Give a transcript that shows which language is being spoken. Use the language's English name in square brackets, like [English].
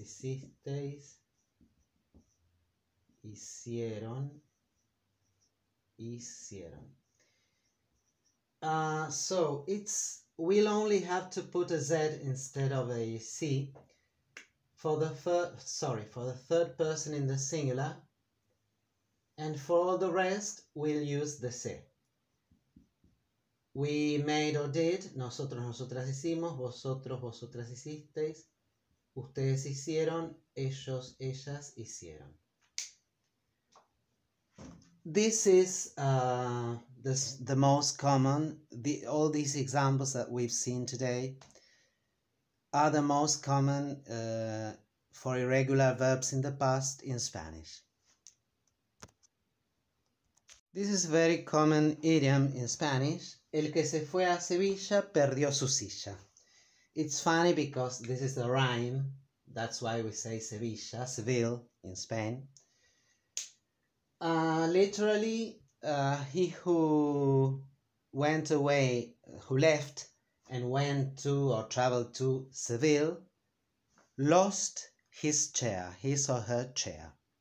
[Spanish] Hicisteis, hicieron, hicieron. [English] So it's, we'll only have to put a Z instead of a C for the third person in the singular, and for all the rest we'll use the C. We made or did, [Spanish] nosotros, nosotras hicimos, vosotros, vosotras hicisteis, ustedes hicieron, ellos, ellas hicieron. [English] This is the most common, all these examples that we've seen today are the most common for irregular verbs in the past in Spanish. This is a very common idiom in Spanish. [Spanish] El que se fue a Sevilla perdió su silla. [English] It's funny because this is a rhyme. That's why we say Sevilla, Seville in Spain. Literally, he who went away, who left and went to or traveled to Seville, lost his chair, his or her chair.